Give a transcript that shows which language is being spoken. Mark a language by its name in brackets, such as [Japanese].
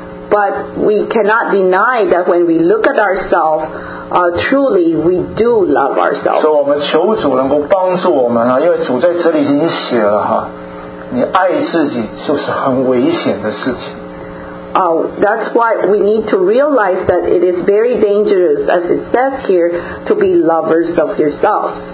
[English] But we cannot deny that when we look at ourselves, truly we do love ourselves. [Chinese] 所以我们求主能够帮助我们啊，因为主在这里已经写了哈，你爱自己就是很危险的事情。 [English] That's why we need to realize that it is very dangerous, as it says here, to be lovers of yourself.